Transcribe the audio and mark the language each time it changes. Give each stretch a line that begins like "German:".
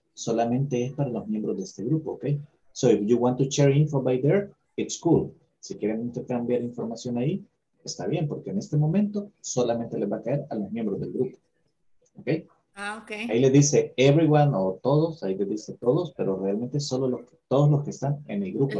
Spanish: Solamente es para los miembros de este grupo, ok?
English: So if you want to share info by there, it's cool.
Spanish: Si quieren intercambiar información ahí, está bien, porque en este momento solamente les va a caer a los miembros del grupo.
English: ¿Ok? Ah, ok.
Spanish: Ahí le dice everyone o todos, ahí le dice todos, pero realmente solo los, todos los que están en el grupo.